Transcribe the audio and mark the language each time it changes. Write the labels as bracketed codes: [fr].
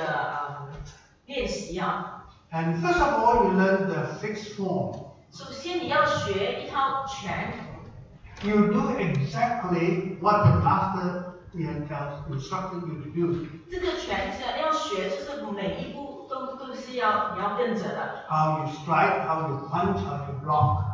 [zh] 如果你学武术的时候，你就知道有不同的这个练习啊。 [en] And first of all, you learn the fixed form. [zh] 首先你要学一套拳。 [en] You do exactly what the master instructed you to do. [zh] 这个拳要学，就是每一步都是要跟着的。 [en] How you strike, how you punch, how you block.